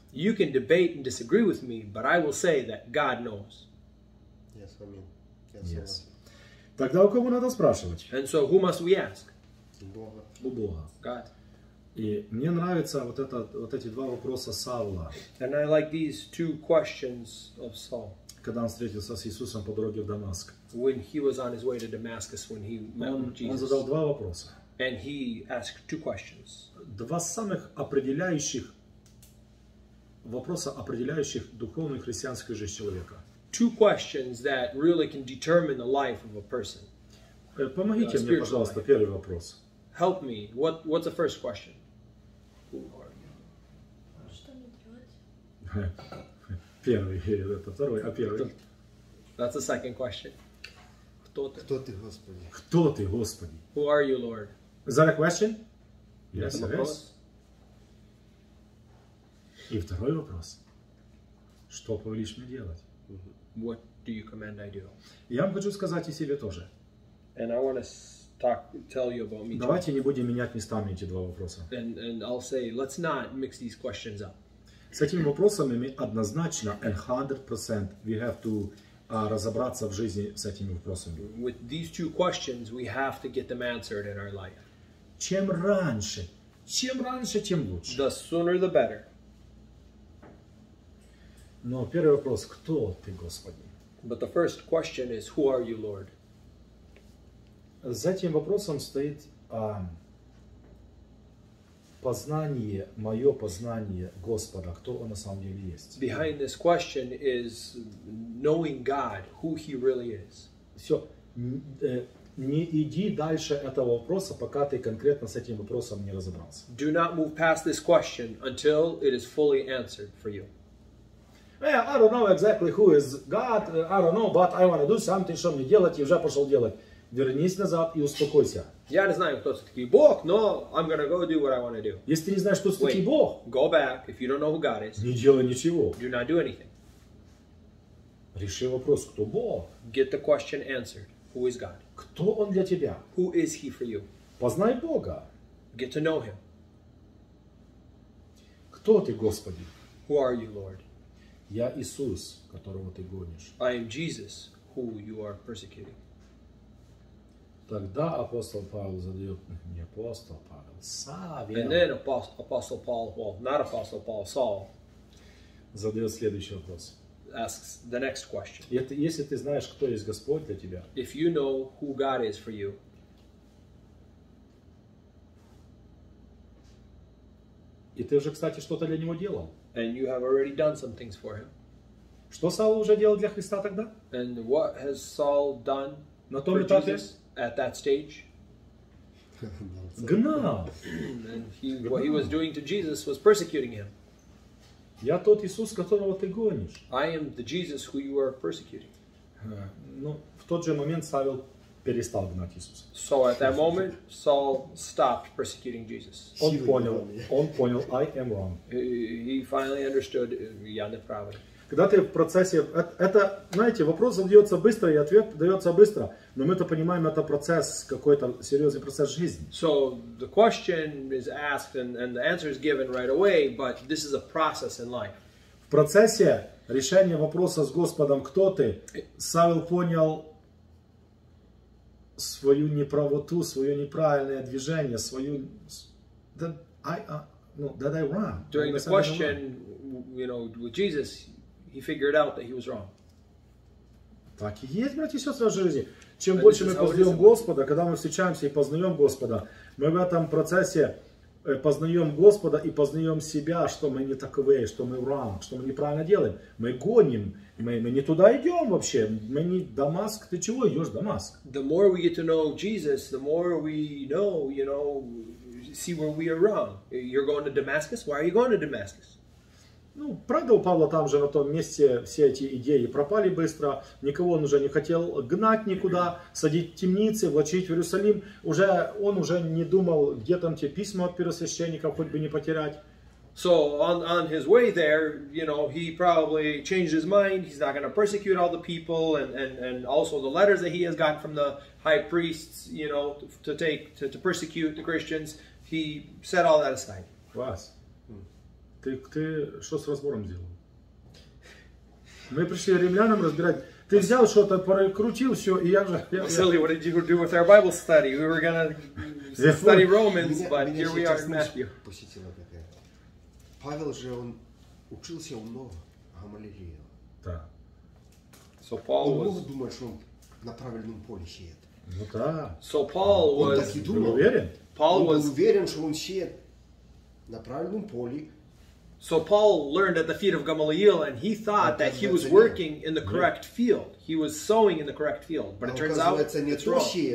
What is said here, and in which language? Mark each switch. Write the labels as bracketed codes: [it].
[en] You can debate and disagree with me, but I will say that God knows. Yes, I mean. Yes. [ru] Тогда у кого надо спрашивать? [en] And so who must we ask? [ru] У Бога. [en] God. [ru] И мне нравится вот это, вот эти два вопроса Савла. [en] And I like these two questions of Saul. [ru] Когда он встретился с Иисусом по дороге в Дамаск. [en] When he was on his way to Damascus, when he met Jesus. [ru] Он задал два вопроса. [en] And he asked two questions. [ru] Два самых определяющих вопроса, определяющих духовную христианскую жизнь человека. [en] Two questions that really can determine the life of a person. [ru] Помогите мне, пожалуйста, первый вопрос. [en] Help me. What's the first question? Who are you? [ru] Первый, это второй, а первый? [en] That's the second question. [ru] Кто ты? Кто ты, Господи? Кто ты, Господи? [en] Who are you, Lord? Is that a question? Yes, it is. [ru] И второй вопрос. Что повелишь мне делать? [en] What do you command I do? [ru] Я вам хочу сказать и себе тоже. [en] And I want to tell you about me. [ru] Давайте не будем менять местами эти два вопроса. [en] And I'll say, let's not mix these questions up. [ru] С этими вопросами мы однозначно, 100%, [en] we have to [ru] разобраться в жизни с этими вопросами. [en] With these two questions, we have to get them answered in our life. [ru] Чем раньше, тем лучше. [en] The sooner, the better. [ru] Но первый вопрос, кто ты, Господи? [en] But the first question is, who are you, Lord? [ru] За этим вопросом стоит познание, мое познание Господа, кто Он на самом деле есть. [en] Behind this question is knowing God, who He really is. [ru] Все, не иди дальше этого вопроса, пока ты конкретно с этим вопросом не разобрался. [en] Do not move past this question until it is fully answered for you. Well, I don't know exactly who is God, I don't know, but I want to do something, [ru] что мне делать, я уже пошел делать. Вернись назад и успокойся. Я не знаю, кто такой Бог, но [en] I'm gonna go do what I want to do. [ru] Если ты не знаешь, кто такой Бог, [en] go back if you don't know who God is. [ru] Не делай ничего. [en] Do not do anything. [ru] Реши вопрос, кто Бог? [en] Get the question answered. Who is God? [ru] Кто он для тебя? [en] Who is he for you? [ru] Познай Бога. [en] Get to know him. [ru] Кто ты, Господи? [en] Who are you, Lord? [ru] Я Иисус, которого ты гонишь. [en] I am Jesus, who you are persecuting. [ru] Тогда апостол Павел задает, не апостол Павел, Савел. [en] And then apostle Paul, well, not apostle Paul, Saul. [ru] Задает следующий вопрос. [en] Asks the next question. [ru] Если ты знаешь, кто есть Господь для тебя. [en] If you know who God is for you. [ru] И ты уже, кстати, что-то для него делал. [en] And you have already done some things for him. [ru] Что Саул уже делал для Христа тогда? [en] And what has Saul done [ru] на том этапе? [en] At that stage, [ru] гнал. [en] And what he was doing to Jesus was persecuting him. [ru] Я тот Иисус, которого ты гонишь. [en] I am the Jesus who you are persecuting. [ru] Ну, в тот же момент Савел перестал гнать Иисуса. [en] So at that moment, Saul stopped persecuting Jesus. [ru] Он понял, [en] I am wrong. He finally understood, [ru] я не правый. Когда ты в процессе, это, знаете, вопрос задается быстро и ответ дается быстро, но мы это понимаем, это процесс, какой-то серьезный процесс жизни. [en] So the question is asked and the answer is given right away, but this is a process in life. [ru] В процессе решения вопроса с Господом, кто ты, Савел понял свою неправоту, свое неправильное движение, свою... [en] That I'm wrong. During the question, you know, with Jesus, he figured out that he was wrong. [ru] Так и есть, братья и сестры, в жизни. Чем больше мы познаем Господа, когда мы встречаемся и познаем Господа, мы в этом процессе познаем Господа и познаем себя, что мы не таковы, что мы [en] wrong, [ru] что мы неправильно делаем. Мы гоним, мы не туда идем вообще. Мы не Дамаск, ты чего идешь, Дамаск? [en] The more we get to know Jesus, the more we know, you know, see where we are wrong. You're going to Damascus? Why are you going to Damascus? [ru] Ну, правда, у Павла там же на том месте все эти идеи пропали быстро. Никого он уже не хотел гнать никуда, садить в темницы, влачить в Иерусалим. Уже, он уже не думал, где там те письма от первосвященников, хоть бы не потерять. [en] So, on his way there, you know, he probably changed his mind. He's not going to persecute all the people and also the letters that he has gotten from the high priests, you know, to persecute the Christians. He set all that aside. [ru] Класс. Ты что с разбором сделал? Мы пришли римлянам разбирать. Ты взял что-то, прокрутил все, и я же... [en] Silly, what did you do with our Bible study? We were going to study Romans, but here we are in Matthew. [ru] Посетила такая. Павел же, он учился у много Гамалиева. Да. [en] So Paul was... [ru] Он мог думать, что он на правильном поле сеет. Ну да. [en] So Paul was... [ru] Он так и думал. Был уверен? [en] Paul was... [ru] Он уверен, что он сеет на правильном поле. [en] So Paul learned at the feet of Gamaliel, and he thought that he was working in the correct field. He was sowing in the correct field, but it turns out it's wrong.